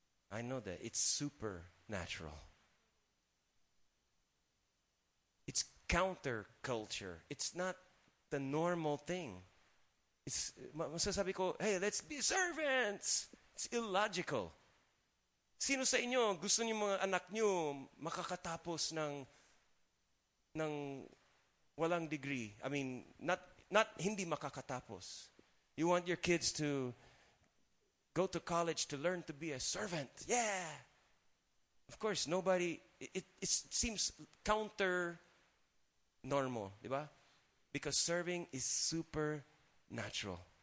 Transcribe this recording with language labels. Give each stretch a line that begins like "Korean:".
English: I know that it's supernatural. It's counterculture. It's not the normal thing. It's
Filipino: masasabi ko,
English: hey, let's be servants. It's illogical.
Filipino: Sino sa inyo gusto niyo mga anak niyo makakatapos ng walang degree?
English: I mean, not
Filipino: hindi makakatapos.
English: You want your kids to go to college to learn to be a servant. Yeah. Of course, nobody, it seems counter normal,
Filipino: di ba?
English: Because serving is supernatural.